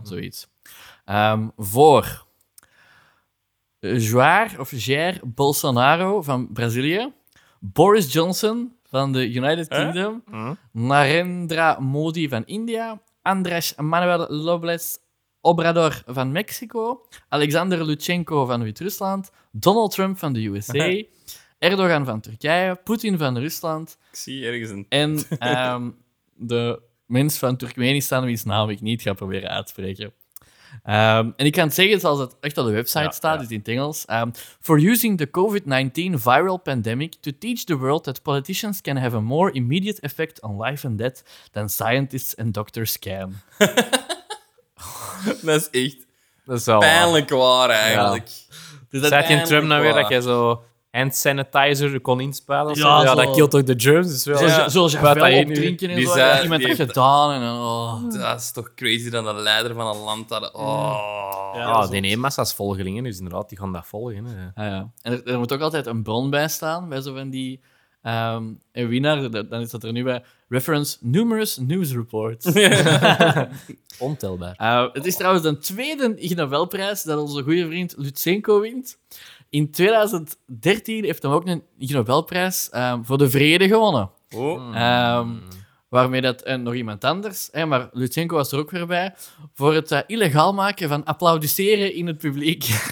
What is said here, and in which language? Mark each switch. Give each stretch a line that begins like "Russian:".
Dutch: zoiets. Voor Jair of Jair Bolsonaro van Brazilië, Boris Johnson van de United Kingdom, Narendra Modi van India, Andrés Manuel López Obrador van Mexico, Alexander Lutsenko van Wit-Rusland, Donald Trump van de USA... Erdogan van Turkije, Poetin van Rusland. Ik zie ergens een... En de mens van Turkmenistan, wiens naam ik niet ga proberen uitspreken. En ik kan het zeggen zoals het echt op de website staat, is in het Engels.
English: For using the COVID-19 viral pandemic to teach the world that politicians can have a more immediate effect on life and death than scientists and doctors can.
Dutch: Dat is echt pijnlijk waar, eigenlijk. Ja. Dus zat je in Trump nou weer dat je zo... En sanitizer kon inspelen. Ja, zo. Dat killt ook de germs. Dus wel, zoals je wel opdrinken en zo. Iemand heeft gedaan. En, dat is toch crazy dat de leider van een land had... Oh. Ja, oh, nee, massa's volgelingen, dus inderdaad, die gaan dat volgen. Ah, ja. En er moet ook altijd een bron bij staan, bij zo van die een winnaar, dan is dat er nu bij.
English: Reference numerous news reports.
Dutch: Ontelbaar. Het is trouwens de tweede Ig Nobelprijs dat onze goede vriend Lutsenko wint. In 2013 heeft hij ook een Ig Nobelprijs voor de vrede gewonnen. Oh. Waarmee dat nog iemand anders, hè, maar Lutsenko was er ook weer bij, voor het illegaal maken van applaudisseren in het publiek.